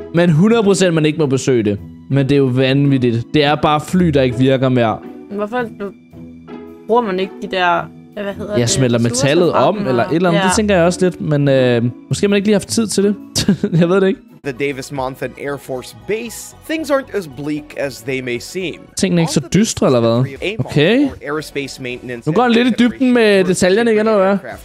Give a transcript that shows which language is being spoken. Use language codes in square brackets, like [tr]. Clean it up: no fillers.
[da] Men 100% man ikke må besøge det. Men det er jo vanvittigt. Det er bare fly, der ikke virker mere. Hvorfor bruger man ikke de der... Hvad hedder jeg det? Smelter metallet om, og... eller et eller andet. Ja. Det tænker jeg også lidt, men måske man ikke lige har haft tid til det. Jeg ved det ikke. The Davis-Monthan Air Force Base. [en] Things aren't as bleak as they may seem. [da] Tingene ikke så dystre, eller hvad? Okay. Nu går han lidt i dybden med detaljerne igen, eller hvad?